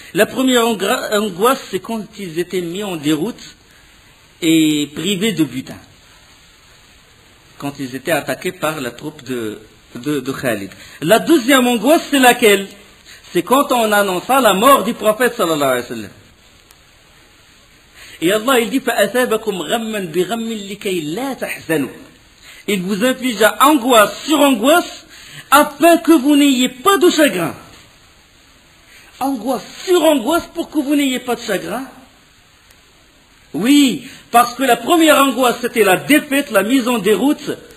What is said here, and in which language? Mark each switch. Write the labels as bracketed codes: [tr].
[fr] La première angoisse, c'est quand ils étaient mis en déroute et privés de butin. Quand ils étaient attaqués par la troupe de Khalid. La deuxième angoisse, c'est laquelle? C'est quand on annonça la mort du prophète, sallallahu alayhi wa sallam. Et Allah, il dit, [ar] فَأَثَابَكُمْ غَمَّنْ بِغَمِّنْ لِكَيْ لَا تَحْزَنُوا. [fr] Il vous inflige angoisse sur angoisse, afin que vous n'ayez pas de chagrin. Angoisse sur angoisse pour que vous n'ayez pas de chagrin. Oui, parce que la première angoisse, c'était la défaite, la mise en déroute.